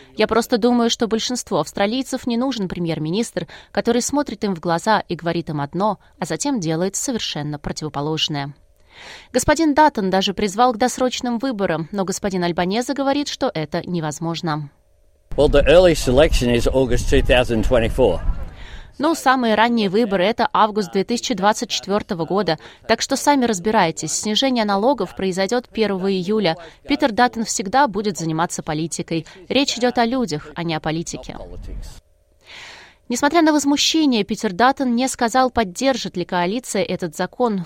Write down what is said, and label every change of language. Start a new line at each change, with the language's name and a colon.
Russian: Я просто думаю, что большинству австралийцев не нужен премьер-министр, который смотрит им в глаза и говорит им одно, а затем делает совершенно противоположное. Господин Даттон даже призвал к досрочным выборам, но господин Альбанезе говорит, что это невозможно.
English: Well, the earliest election is August 2024.
Russian: Ну, самые ранние выборы – это август 2024 года, так что сами разбирайтесь, снижение налогов произойдет 1 июля. Питер Даттон всегда будет заниматься политикой. Речь идет о людях, а не о политике. Несмотря на возмущение, Питер Даттон не сказал, поддержит ли коалиция этот закон.